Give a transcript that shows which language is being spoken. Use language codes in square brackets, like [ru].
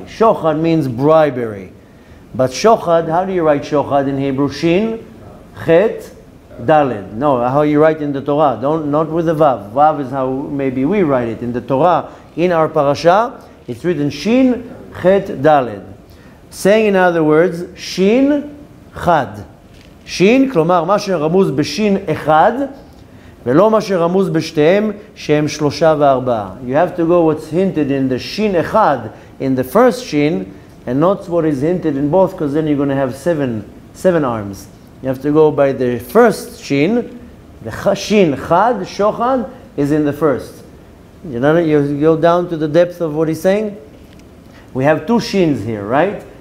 [en] Shochad means bribery. But shochad, how do you write shochad in Hebrew? Shin, chet, dalet. No, how you write in the Torah. Not with the vav. Vav is how maybe we write it. In the Torah, in our parasha, it's written shin, chet, dalet. Saying in other words, shin, chad. [he] Shin, klomar, ma sheramuz b'shin echad, ולא מה שרמוז בשתיהם שהם שלושה וארבעה. [en] You have to go what's hinted in the shin echad, in the first shin, and not what is hinted in both, because then you're going to have seven arms. You have to go by the first shin. The shin chad, shochad, is in the first. You know, you go down to the depth of what he's saying. We have two shins here, right?